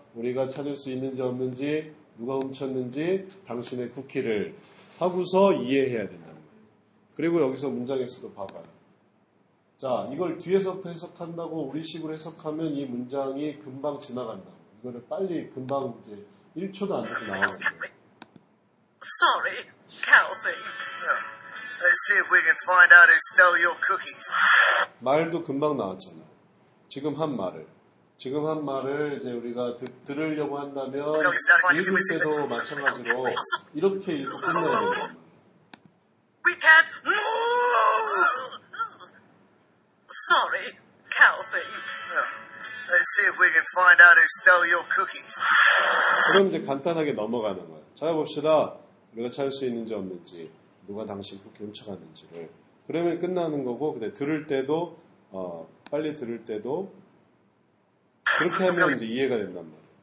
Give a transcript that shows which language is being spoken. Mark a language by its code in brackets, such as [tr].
[ko] 우리가 찾을 수 있는지 없는지, 누가 훔쳤는지, 당신의 쿠키를 하고서 이해해야 된단 말이에요. 그리고 여기서 문장에서도 봐봐요. 자, 이걸 뒤에서부터 해석한다고 우리식으로 해석하면 이 문장이 금방 지나간다고. 이거를 빨리 금방 이제 1초도 안 돼서 나와요. [en] Sorry, Calvin. Let's see if we can find out who stole your cookies. [ko] 말도 금방 나왔잖아. 지금 한 말을. 지금 한 말을 이제 우리가 들으려고 한다면 읽을 때도 마찬가지로 이렇게 읽고 끝내야 돼요. [en] We can't move! Sorry, Calvin. Let's see if we can find out who stole your cookies. [ko] 그럼 이제 간단하게 넘어가는 거예요. 찾아봅시다. 우리가 찾을 수 있는지 없는지. 누가 당신 쿠키 훔쳐갔는지를. 그러면 끝나는 거고, 근데 들을 때도, 빨리 들을 때도, 그렇게 하면 이제 이해가 된단 말이에요.